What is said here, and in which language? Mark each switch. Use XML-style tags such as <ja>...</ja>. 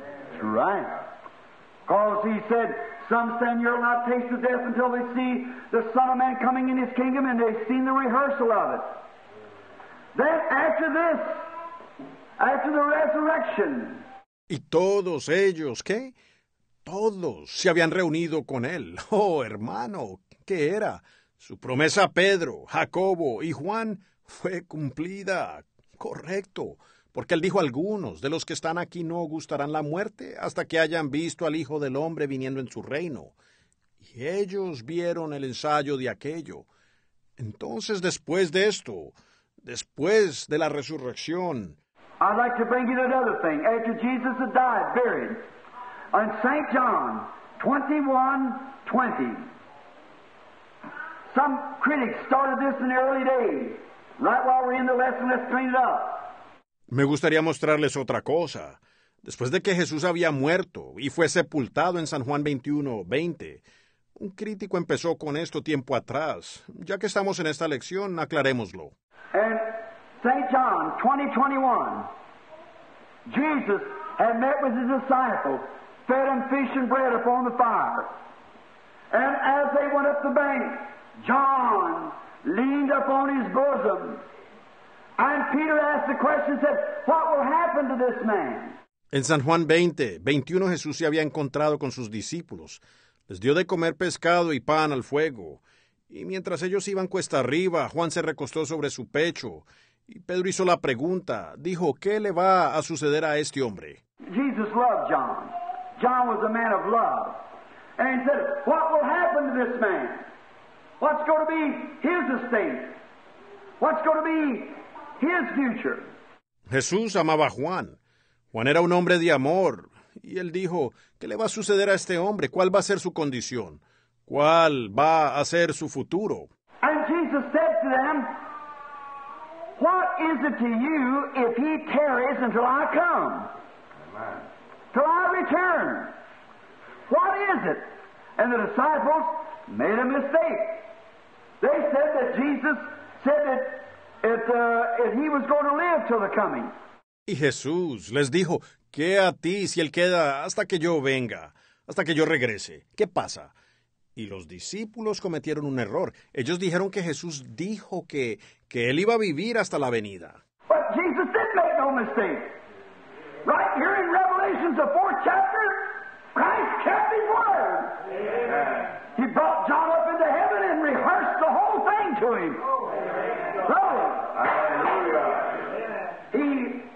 <en>That's right. Because he said, some stand here will not taste of death until they see the Son of Man coming in his kingdom, and they've seen the rehearsal of it. Then after this, after the resurrection.</en> <es>¿Y todos ellos qué? Todos se habían reunido con él. Oh, hermano, ¿qué era? Su promesa a Pedro, Jacobo y Juan fue cumplida. Correcto. Porque él dijo, algunos de los que están aquí no gustarán la muerte hasta que hayan visto al Hijo del Hombre viniendo en su reino. Y ellos vieron el ensayo de aquello. Entonces, después de esto, después de la resurrección,</es> <en>I'd like to bring you another thing. After Jesus had died, buried, on St. John 21:20, some critics started this in the early days. Right while we're in the lesson, let's clean it up.</en> <es>Me gustaría mostrarles otra cosa. Después de que Jesús había muerto y fue sepultado en San Juan 21:20, un crítico empezó con esto tiempo atrás. Ya que estamos en esta lección, aclarémoslo. En St.</es> <en>John 20:21, Jesus had met with his disciples, fed them fish and bread upon the fire. And as they went up the bank, John leaned upon his bosom. And Peter asked the question, said, what will happen to this man?</en> <es>En San Juan 20:21, Jesús se había encontrado con sus discípulos. Les dio de comer pescado y pan al fuego. Y mientras ellos iban cuesta arriba, Juan se recostó sobre su pecho. Y Pedro hizo la pregunta, dijo, ¿qué le va a suceder a este hombre?</es> <en>Jesus loved John. John was a man of love. And he said, what will happen to this man? What's going to be his estate? What's going to be his future?</en> <es>Jesús amaba a Juan. Juan era un hombre de amor. Y él dijo, ¿qué le va a suceder a este hombre? ¿Cuál va a ser su condición? ¿Cuál va a ser su futuro?</es> <en>And Jesus said to them, what is it to you if he tarries until I come? Till I return. What is it? And the disciples made a mistake. They said that Jesus said that if he was going to live till the coming.</en> <es>Y Jesús les dijo, ¿qué a ti si él queda hasta que yo venga, hasta que yo regrese? ¿Qué pasa? Y los discípulos cometieron un error. Ellos dijeron que Jesús dijo que él iba a vivir hasta la venida.</es> <en>But Jesus did make no mistake. Right here in Revelation, the fourth chapter, Christ kept his word. Amen. He brought John up into heaven and rehearsed the whole thing to him. Oh, so, hallelujah.</en>